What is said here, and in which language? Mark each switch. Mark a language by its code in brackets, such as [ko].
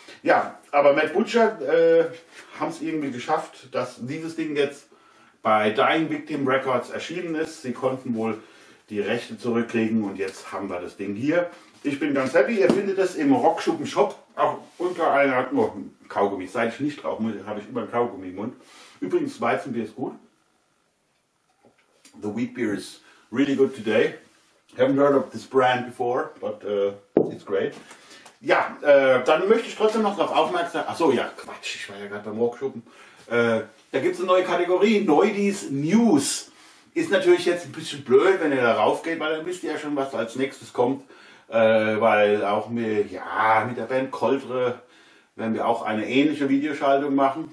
[de] Ja, aber Mad Butcher haben es irgendwie geschafft, dass dieses Ding jetzt bei Dying Victim Records erschienen ist. Sie konnten wohl die Rechte zurückkriegen und jetzt haben wir das Ding hier. Ich bin ganz happy, ihr findet es im Rockschuppen Shop, auch unter einer Kaugummi. Seit ich nicht drauf muss, habe ich immer einen Kaugummi im Mund. Übrigens, Weizenbier ist gut. [en] The wheat beer is really good today. Haven't heard of this brand before, but it's great. [de] Ja, dann möchte ich trotzdem noch darauf aufmerksam. Achso, ja, Quatsch, ich war ja gerade beim Rockschuppen. Da gibt es eine neue Kategorie, Neudies News. Ist natürlich jetzt ein bisschen blöd, wenn ihr da rauf geht, weil dann wisst ihr ja schon, was als nächstes kommt. Weil auch mit der Band Coltre werden wir auch eine ähnliche Videoschaltung machen.